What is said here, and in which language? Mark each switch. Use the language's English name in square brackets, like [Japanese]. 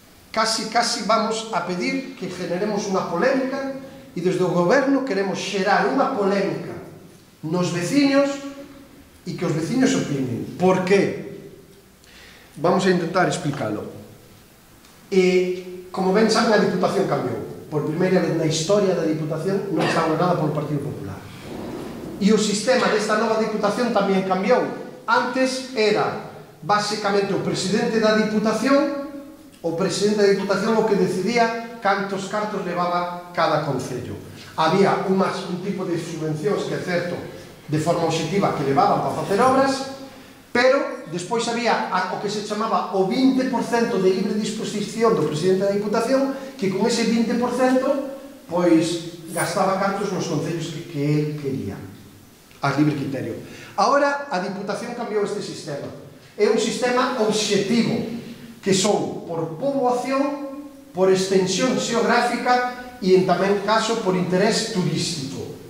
[Galician] Casi vamos a pedir que generemos unha polémica e desde o goberno queremos xerar unha polémica nos veciños e que os veciños opinen. [Spanish] Por qué? Vamos a intentar explicarlo. [Galician] E, como ben saben, a Diputación cambiou. Por primeira vez na historia da Diputación non está gobernada polo Partido Popular. E o sistema desta nova Diputación tamén cambiou. Antes era, basicamente, o presidente da Diputación o que decidía cantos cartos levaba cada concello. Había un tipo de subvencións que, certo, de forma objetiva, que levaban para facer obras, pero despois había o que se chamaba o 20% de libre disposición do presidente da Diputación, que con ese 20% pois gastaba cantos nos concellos que él quería, a libre criterio. Ahora a Diputación cambiou este sistema. É un sistema objetivo, que son por poboación, por extensión xeográfica e, en tamén caso, por interés turístico.